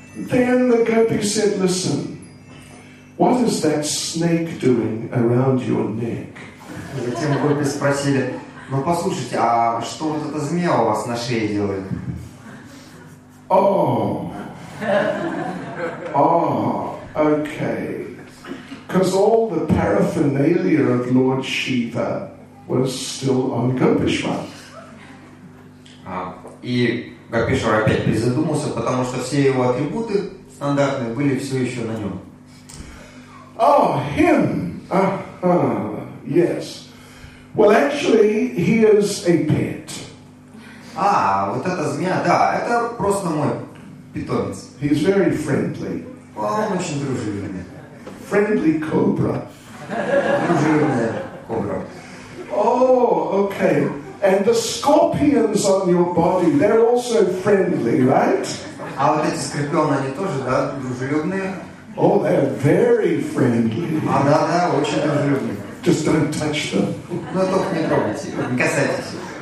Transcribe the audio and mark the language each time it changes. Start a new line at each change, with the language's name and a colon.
English: Then the gopi said, listen, what is that snake doing around your neck?
Russian: Затем гопи спросили, ну послушайте, а что вот эта змея у вас на шее делает?
English: Oh. Oh, okay. Because all the paraphernalia of Lord Shiva was still on Gopeshwar.
Russian: И Гопешвар опять призадумался, потому что все его атрибуты стандартные были все еще на нем.
English: Oh, him. Yes. Well, actually, he is a pet.
Russian: А, вот эта змея, да, это просто мой питомец.
English: He's very friendly.
Russian: Он очень дружелюбный.
English: Friendly cobra.
Russian: Дружелюбная кобра.
English: Oh, okay. And the scorpions on your body, they're also friendly, right?
Russian: А вот эти скорпионы, они тоже, да, дружелюбные?
English: Oh, they're very friendly.
Russian: А, да, да, очень дружелюбные.
English: Just don't touch them.
Russian: Ну, только не трогайте их, не касайтесь их.